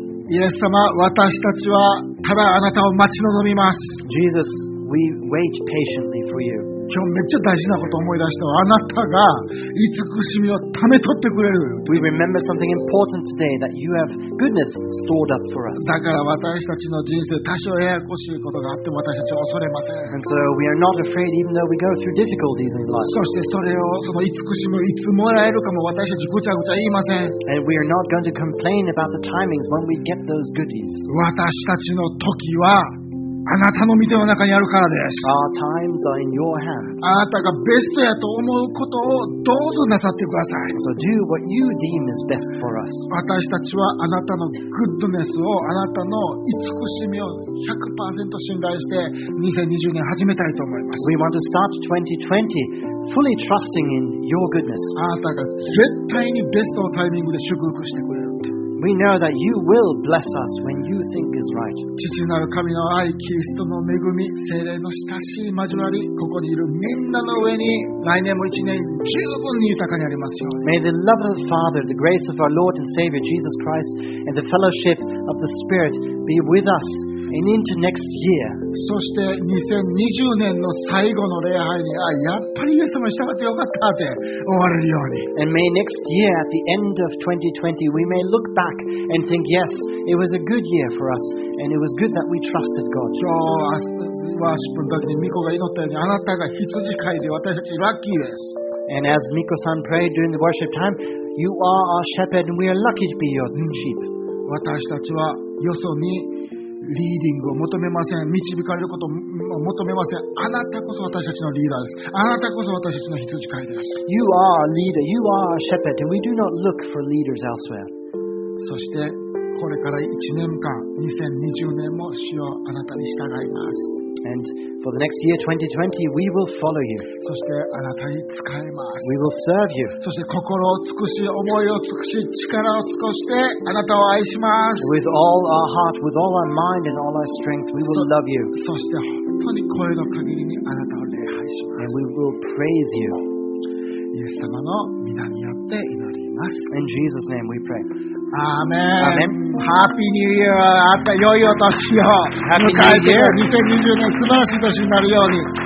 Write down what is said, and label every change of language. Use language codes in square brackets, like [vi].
[ja] イエス様、私たちはただあなたを待ち望みます。 [en] Jesus, we wait patiently for you. [ja] 今日めっちゃ大事なこと思い出したわ。あなたが慈しみをため取ってくれる。 [en] We remember something important today that you have goodness stored up for us. [ja] だから私たちの人生、多少ややこしいことがあっても私たちは恐れません。 [en] And so we are not afraid even though we go through difficulties in life. [ja] そしてそれを、その慈しみをいつもらえるかも私たちぐちゃぐちゃ言いません。 [en] And we are not going to complain about the timings when we get those goodies. [ja] 私たちの時は、あなたの御手の中にあるからです。 [en] Our times are in your hands. [ja] あなたがベストやと思うことをどうぞなさってください。 [en] So do what you deem is best for us. [ja] 私たちはあなたのグッドネスを、あなたの慈しみを 100% 信頼して2020年始めたいと思います。 [en] We want to start 2020 fully trusting in your goodness. [ja] あなたが絶対にベストのタイミングで祝福してくれる。 [en] We know that you will bless us when you think is right. [ja] 父なる神の愛、キリストの恵み、聖霊の親しい交わり、ここにいるみんなの上に来年も一年十分に豊かにありますように。 [en] May the love of the Father, the grace of our Lord and Savior Jesus Christ, and the fellowship of the Spirit be with us and into next year. [ja] そして2020年の最後の礼拝に、あ、やっぱりイエス様に従ってよかったって終われるように。 [en] And may next year, at the end of 2020, we may look back and think, yes, it was a good year for us, and it was good that we trusted God. [ja] 今日、ワーシップの時にミコが祈ったように、あなたが羊飼いで私たちラッキーです。 [en] And as Miko-san prayed during the worship time, you are our shepherd, and we are lucky to be your sheep. [ja] 私たちはよそにリーディングを求めません。導かれることを求めません。あなたこそ私たちのリーダーです。あなたこそ私たちの羊飼いです。 [en] You are a leader. You are a shepherd. And we do not look for leaders elsewhere. [ja] そして、これから1年間、2020年も主をあなたに従います。 [en] And for the next year, 2020, we will follow you. [ja] そしてあなたに使います。 [en] We will serve you. [ja] そして心を尽くし、思いを尽くし、力を尽くしてあなたを愛します。 [en] With all our heart, with all our mind and all our strength, we will love you. [ja] そして本当に声の限りにあなたを礼拝します。 [en] And we will praise you. [ja] イエス様の御名によって祈ります。 [en] In Jesus' name we pray. Amen. Amen. Happy New Year! [ja] あった良いお年を迎えて、2020年素晴らしい年になるように。